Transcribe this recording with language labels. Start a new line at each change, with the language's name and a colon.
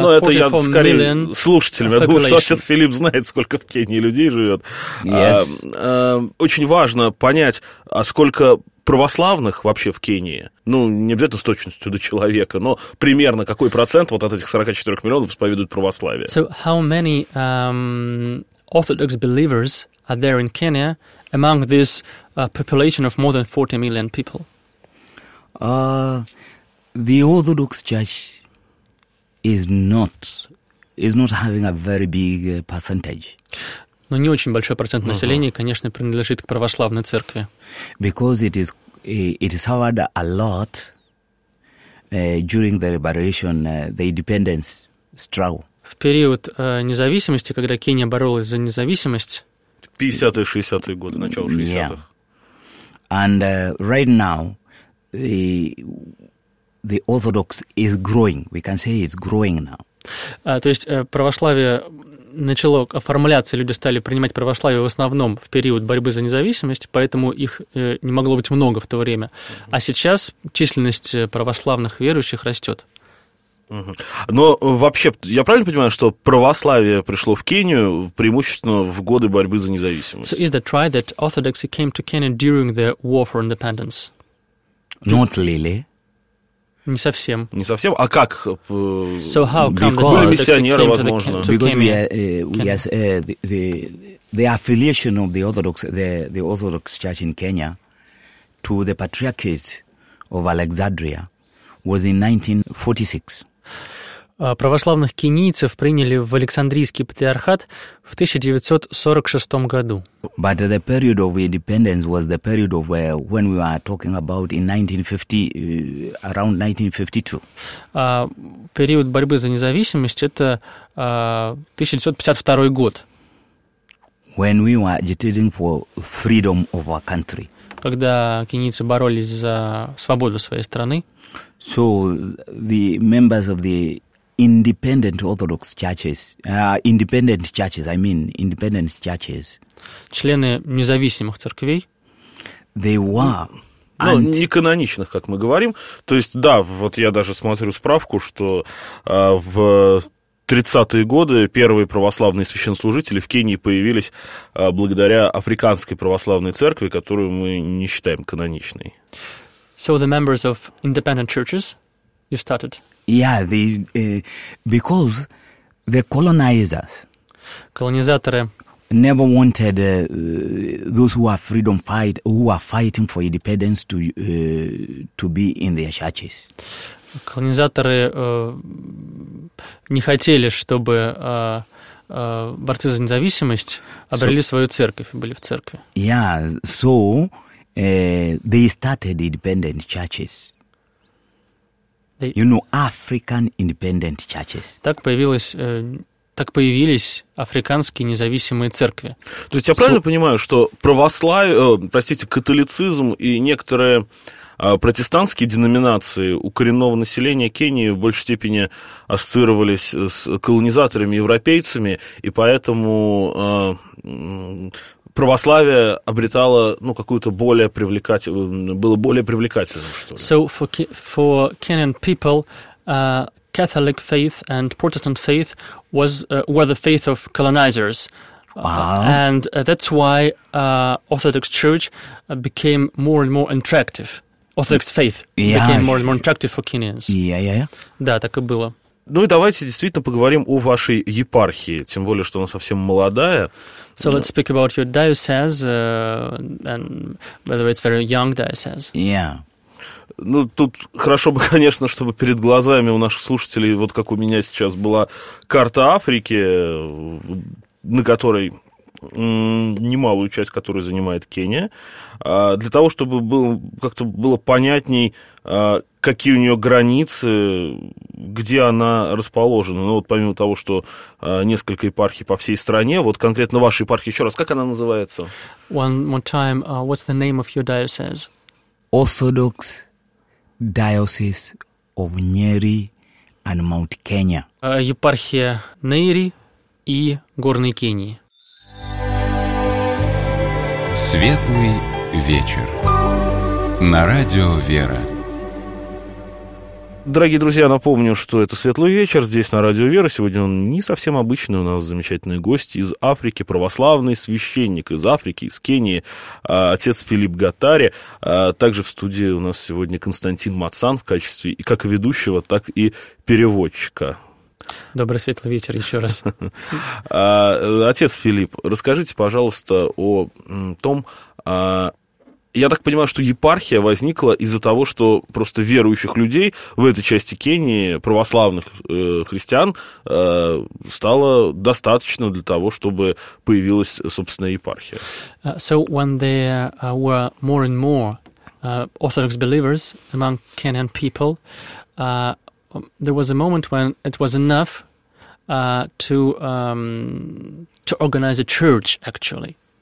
Russian: но это я скорее слушателям. Я думаю, что отец Филипп знает, сколько в Кении людей живет.
English: Yes.
Russian: Очень важно понять, а сколько православных вообще в Кении. Ну, не обязательно с точностью до человека, но примерно какой процент вот от этих 44 миллионов исповедуют православие.
English: So how many Orthodox believers are there in Kenya among this population of more than 40 million people? The Orthodox Church is not having a very big percentage.
Russian: Но не очень большой процент населения, конечно, принадлежит к православной церкви.
English: Because it is suffered a lot during the liberation, the independence struggle.
Russian: В период независимости, когда Кения боролась за независимость. 50-60-е годы, начало 60-х.
English: Yeah. And right now the Orthodox is growing. We can say it's growing now.
Russian: То есть православие начало оформляться, люди стали принимать православие в основном в период борьбы за независимость, поэтому их не могло быть много в то время. А сейчас численность православных верующих растет. Но вообще, я правильно понимаю, что православие пришло в Кению преимущественно в годы борьбы за независимость?
English: So is that right that Orthodoxy came to Kenya during the war for independence? Not really.
Russian: Не совсем. Не совсем? А как?
English: So how come because the missionary,
Russian: возможно?
English: To because the affiliation of the Orthodox Church in Kenya to the Patriarchate of Alexandria was in 1946.
Russian: Православных кенийцев приняли в Александрийский патриархат в 1946 году.
English: But the period of independence was the period of where, when we are talking about in 1950, around 1952.
Russian: Период борьбы за независимость – это 1952 год.
English: When we were agitating for freedom of our country.
Russian: Когда кенийцы боролись за свободу своей страны.
English: So the members of the independent Orthodox churches, independent churches, I mean, independent churches.
Russian: Члены независимых церквей.
English: They were.
Russian: Не каноничных, как мы говорим. То есть, да, вот я даже смотрю справку, что в 30-е годы первые православные священнослужители в Кении появились благодаря Африканской православной церкви, которую мы не считаем каноничной.
English: So the members of independent churches, you started. Yeah, they because the colonizers,
Russian: колонизаторы,
English: never wanted those who are freedom fight, who are fighting for independence to be in their churches.
Russian: Колонизаторы не хотели, чтобы борцы за независимость обрели свою церковь, были в церкви.
English: Yeah, so they started independent churches. You know, African independent churches.
Russian: Так появились африканские независимые церкви. То есть я правильно понимаю, что католицизм и некоторые протестантские деноминации у коренного населения Кении в большей степени ассоциировались с колонизаторами-европейцами, и поэтому православие обретало какую-то более привлекательную, было более привлекательным, что ли?
English: So for Kenyan people, Catholic faith and Protestant faith were the faith of colonizers. And that's why Orthodox Church became more and more attractive. Orthodox faith became more and more attractive for Kenyans.
Russian: Да, так и было. Ну и давайте действительно поговорим о вашей епархии, тем более, что она совсем молодая.
English: So let's speak about your diocese, and whether it's very young diocese. Yeah.
Russian: Ну, тут хорошо бы, конечно, чтобы перед глазами у наших слушателей, вот как у меня сейчас была карта Африки, на которой немалую часть которой занимает Кения, для того, чтобы было понятней, какие у нее границы, где она расположена. Ну, вот помимо того, что несколько епархий по всей стране, вот конкретно ваша епархия, еще раз, как она называется?
English: One more time, what's the name of your diocese? Orthodox Diocese of Nyeri and Mount Kenya.
Russian: Епархия Нейри и Горной Кении. Светлый вечер. На радио Вера. Дорогие друзья, напомню, что это «Светлый вечер» здесь, на Радио Вера. Сегодня он не совсем обычный, у нас замечательный гость из Африки, православный священник из Африки, из Кении, отец Филипп Гатари. Также в студии у нас сегодня Константин Мацан в качестве как ведущего, так и переводчика. Добрый светлый вечер еще раз. Отец Филипп, расскажите, пожалуйста, о том... Я так понимаю, что епархия возникла из-за того, что просто верующих людей в этой части Кении, православных христиан, стало достаточно для того, чтобы появилась собственная епархия.
English: So when there were more and more Orthodox believers among Kenyan people, there was a moment when it was enough to organize a church, actually.